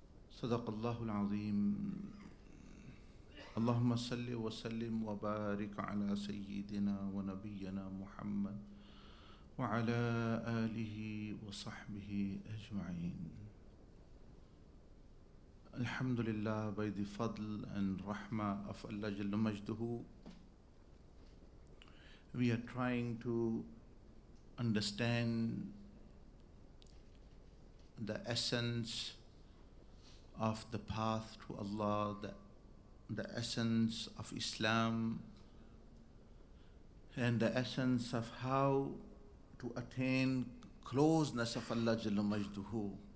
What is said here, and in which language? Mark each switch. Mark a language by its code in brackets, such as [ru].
[ar] صدق الله العظيم. اللهم صل وسلم وبارك على سيدنا ونبينا محمد وعلى آله وصحبه أجمعين. الحمد لله [en] by the فضل and رحمة of Allah [ar] جل مجده. [en] We are trying to understand the essence of the path to Allah, the essence of Islam, and the essence of how to attain closeness of Allah Jalla Majduhu.